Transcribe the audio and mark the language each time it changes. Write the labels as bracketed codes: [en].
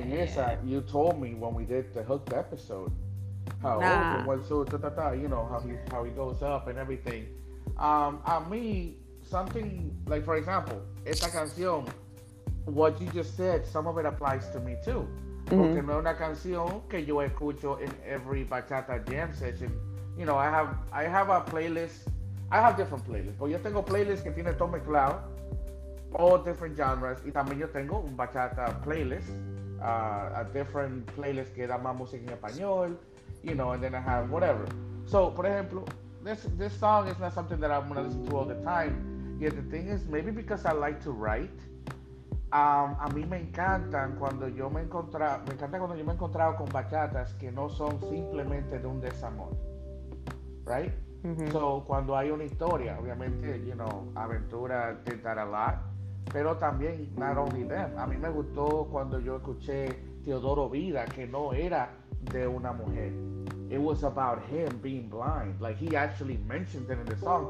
[es] En esa, [en] you told me when we did the hooked episode, how he goes up and everything. [es] A mí, [en] something, like for example, [es] esta canción, [en] what you just said, some of it applies to me too. [es] Porque no es una canción que yo escucho en [en] every bachata jam session. You know, I have a playlist. I have different playlists. [es] Pero yo tengo playlists que tiene todo mezclado, [en] all different genres. [es] Y también yo tengo un bachata playlist, [en] a different playlist [es] que da más música en español. [en] You know, and then I have whatever. So, [es] por ejemplo, [en] this song is not something that I'm gonna listen to all the time. Yet the thing is, maybe because I like to write. [es] A mí me encantan cuando yo me encontraba, me encanta cuando yo me he encontrado con bachatas que no son simplemente de un desamor, right? Mm-hmm. [en] So [es] cuando hay una historia, obviamente, [en] you know, aventura, did that a lot, [es] pero también [en] not only them. [es] A mí me gustó cuando yo escuché Teodoro Vida, que no era de una mujer. [en] It was about him being blind, like he actually mentioned it in the song.